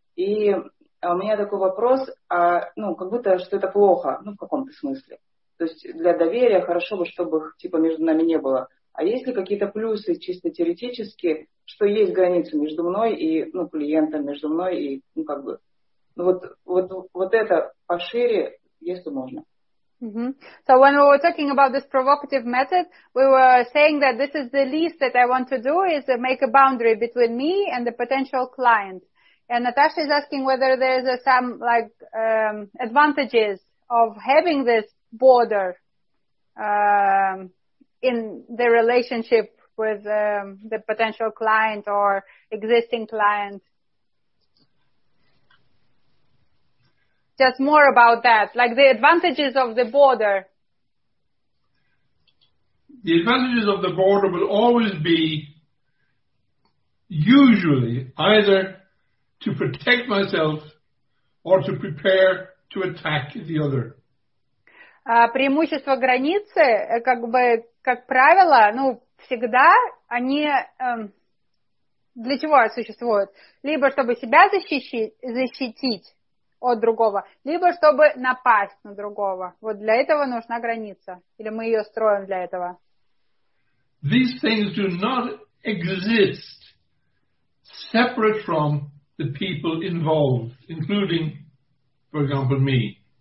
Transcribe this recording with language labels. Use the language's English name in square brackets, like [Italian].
[Russian] И у меня такой вопрос, как будто что это плохо, ну, в каком-то смысле. То есть для доверия хорошо бы, чтобы их типа между нами не было. А есть ли какие-то плюсы чисто теоретически, что есть граница между мной и, ну, клиентом, между мной и, ну, как бы, вот это пошире, если можно. [English] So when we were talking about this provocative method, we were saying that this is the least that I want to do, is to make a boundary between me and the potential client. And Natasha is asking whether there's some, like, advantages of having this border in the relationship with the potential client or existing client. Just more about that, like the advantages of the border. the advantages of the border will always be usually either to protect myself or to prepare to attack the other. [Russian] Преимущество границы, как бы, как правило, ну, всегда они для чего существуют? Либо чтобы себя защитить от другого, либо чтобы напасть на другого. Вот для этого нужна граница. Или мы ее строим для этого. [English] These things do not exist separate from the people involved, including, for example, me.